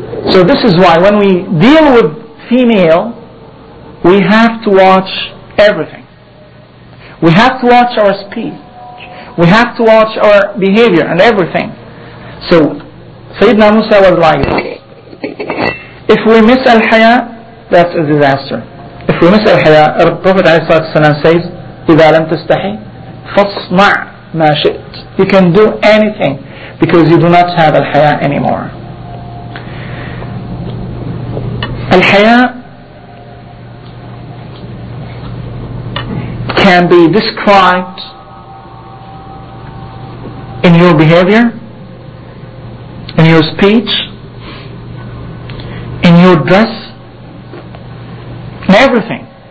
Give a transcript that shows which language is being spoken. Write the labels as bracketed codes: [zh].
[en] So this is why when we deal with female, we have to watch everything. We have to watch our speech. We have to watch our behavior and everything. So Sayyidina Musa was like this. If we miss al-haya, that's a disaster. If we miss al-haya, Prophet ﷺ says, [ar] إِذَا لَمْ تَسْتَحِي فَصْمَعْ مَا شِئْتْ. [en] You can do anything because you do not have al-haya anymore. Al-haya can be described in your behavior, in your speech, in your dress, everything.